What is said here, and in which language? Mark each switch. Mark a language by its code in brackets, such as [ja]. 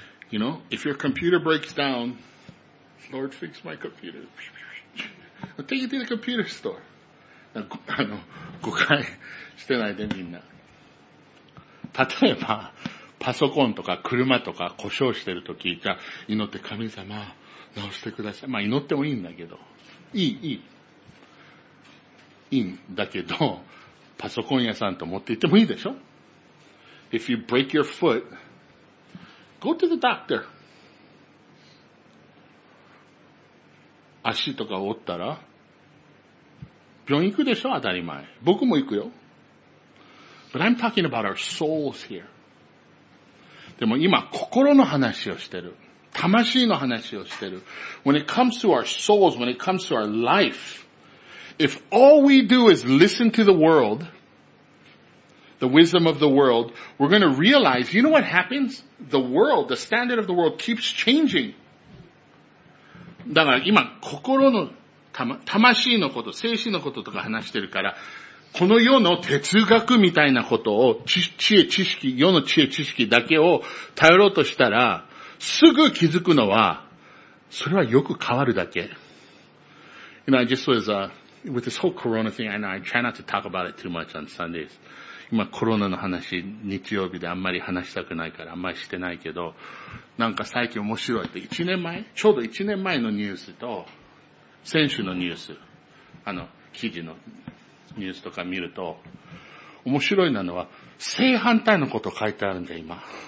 [en] You know, if your computer breaks down, Lord, fix my computer. I'll take you to the computer store. [ja] あの、誤解してないでみんな。例えば、パソコンとか車とか故障してるときが祈って神様直してください。まあ祈ってもいいんだけど。いい。いいんだけど、パソコン屋さんと持って行ってもいいでしょ? [en] If you break your foot, go to the doctor. [ja] 足とか折ったら、病院行くでしょ? 当たり前。僕も行くよ。 [en] But I'm talking about our souls here. [ja] でも今、心の話をしてる。魂の話をしてる。 [en] When it comes to our souls, when it comes to our life,If all we do is listen to the world, the wisdom of the world, we're going to realize, you know what happens? The world, the standard of the world keeps changing. [ja] だから今、心の、魂のこと、精神のこととか話してるから、この世の哲学みたいなことを、知恵知識、世の知恵知識だけを頼ろうとしたら、すぐ気づくのは、それはよく変わるだけ。 [en] You know, I just was, With this whole corona thing, I know I try not to talk about it too much on Sundays. [ja] 今コロナの話、日曜日であんまり話したくないからあんまりしてないけど、なんか最近面白いって、1年前ちょうど1年前のニュースと、先週のニュース、あの、記事のニュースとか見ると、面白いなのは、正反対のこと書いてあるんだよ、今。